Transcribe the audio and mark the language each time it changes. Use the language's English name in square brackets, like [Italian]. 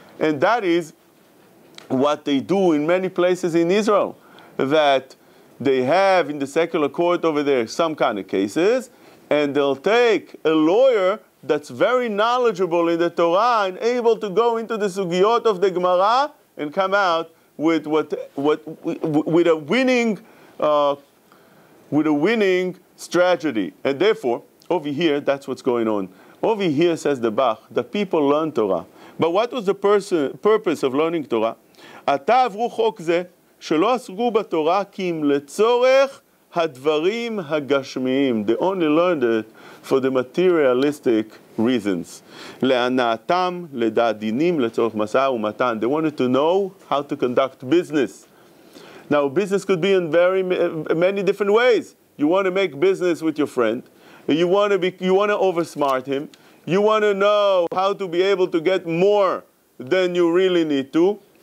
[English] And that is what they do in many places in Israel, that they have in the secular court over there some kind of cases, and they'll take a lawyer that's very knowledgeable in the Torah and able to go into the sugiyot of the Gemara and come out with a winning strategy. And therefore, over here, that's what's going on. Over here, says the Bach, the people learn Torah. But what was the purpose of learning Torah? [Hebrew] Ata avru chok ze, שלא עסקו בתורה כי אם לצורך הדברים הגשמיים. [English] They only learned it for the materialistic reasons. [Hebrew] להנאתם, לדעת דינים, לצורך מסע ומתן. [English] They wanted to know how to conduct business. Now, business could be in very many different ways. You want to make business with your friend. You want to oversmart him. You want to know how to be able to get more than you really need to.